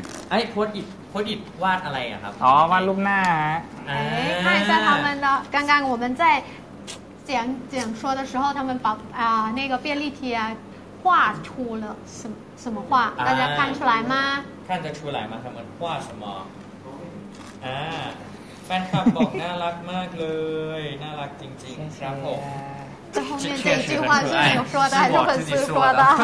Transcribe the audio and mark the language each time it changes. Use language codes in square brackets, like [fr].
[th] ไอ้พดอิดพดอิดวาดอะไรอะครับ อ๋อวาดรูปหน้า [zh] ฮะเอ๊ะ看一下他们的刚刚我们在讲讲说的时候他们把啊那个便利贴画出了什么画大家看出来吗看得出来吗他们画什么 [th] แฟนคลับบอกน่ารักมากเลยน่ารักจริงๆครับผม [zh] 在后面这一句话是你说的还是粉丝说的